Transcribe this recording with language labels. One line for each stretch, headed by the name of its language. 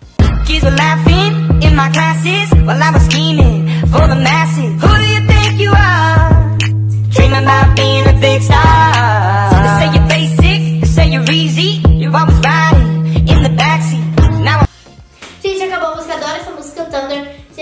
Portuguese: Minha cara de derrota nesse musical, gente, tá incrível.
English: Dreaming about being a big star. Say you're basic, say you're easy. You always riding in the backseat.
Portuguese: Now gente, acabou a música. Adoro essa música, Thunder.